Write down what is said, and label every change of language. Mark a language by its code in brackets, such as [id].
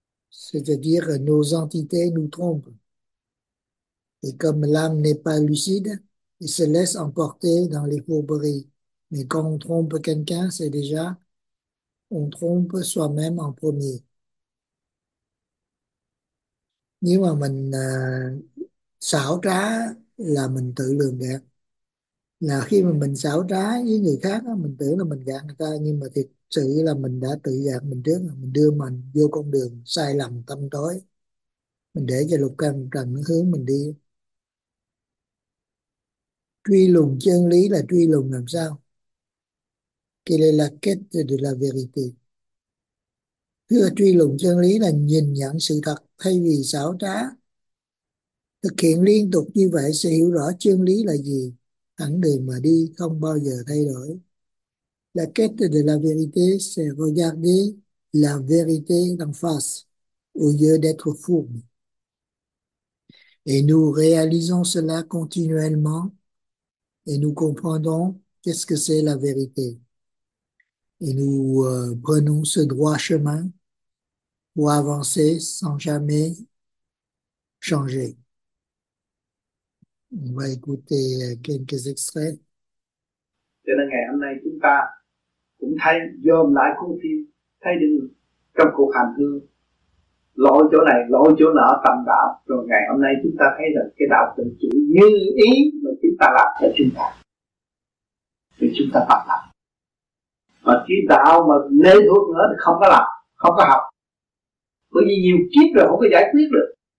[fr] C'est-à-dire, nos entités nous trompent. Et comme l'âme n'est pas lucide, elle se laisse emporter dans les fourberies. Mais quand on trompe quelqu'un, c'est déjà on trompe soi-même en premier. [vi] Nếu mà mình xảo trá là mình tự lường gạt, là khi mà mình xảo trá với người khác đó, mình tưởng là mình gạt người ta, nhưng mà thực sự là mình đã tự gạt mình trước, mình đưa mình vô con đường sai lầm tăm tối, mình để cho lục căn trần nó hướng mình đi. Truy lùng chân lý là truy lùng làm sao? [fr] Quelle est la quête de la vérité? [vi] Thưa, truy lùng chân lý là nhìn nhận sự thật thay vì xảo trá. Thực hiện liên tục như vậy sẽ hiểu rõ chân lý là gì, thẳng đường mà đi không bao giờ thay đổi. [fr] La quête de la vérité, c'est regarder la vérité d'en face au lieu d'être fourbe. Et nous réalisons cela continuellement et nous comprenons qu'est-ce que c'est la vérité. Et nous prenons ce droit chemin pour avancer sans jamais changer. On va écouter quelques extraits. [vi] Cho nên ngày hôm nay chúng ta cũng thấy dòm lại khuôn phim, thấy được trong cuộc hành hương lỗi chỗ này lỗi chỗ nọ tầm đạo, rồi ngày hôm nay chúng ta thấy là cái đạo tự chủ như ý mà chúng ta làm cho chúng ta thì chúng ta tập làm, mà cái đạo mà lê thuộc nữa thì không có làm, không có học, bởi vì nhiều kiếp rồi không có giải quyết được.